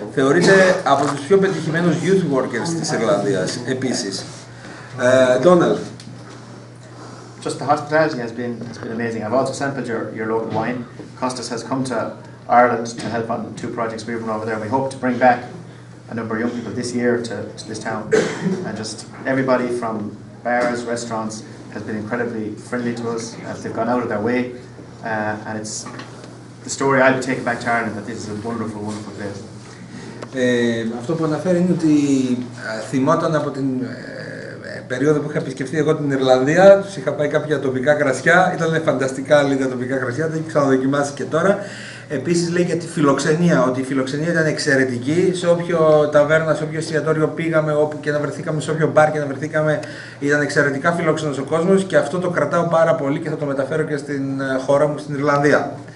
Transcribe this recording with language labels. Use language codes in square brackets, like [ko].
[el] Θεωρείται από τους πιο πετυχημένους [en] youth workers [el] της Ιρλανδίας επίσης. [en] Donald. Just the hospitality has been amazing. I've also sampled your local wine. Costas has come to Ireland to help on 2 projects we've run over there. We hope to bring back a number of young people this year to this town. And just everybody from bars, restaurants has been incredibly friendly to us as they've gone out of their way. And it's the story I'll be taking back to Ireland, that this is a wonderful, wonderful place. [el] Αυτό που αναφέρει είναι ότι θυμόταν από την περίοδο που είχα επισκεφτεί εγώ την Ιρλανδία, τους είχα πάει κάποια τοπικά κρασιά, ήταν φανταστικά λίγα τα τοπικά κρασιά, τα έχει ξαναδοκιμάσει και τώρα. Επίσης λέει για τη φιλοξενία, ότι η φιλοξενία ήταν εξαιρετική, σε όποιο ταβέρνα, σε όποιο εστιατόριο πήγαμε, όπου και να βρεθήκαμε, σε όποιο μπαρ και να βρεθήκαμε, ήταν εξαιρετικά φιλόξενος ο κόσμος, και αυτό το κρατάω πάρα πολύ και θα το μεταφέρω και στην χώρα μου, στην Ιρλανδία.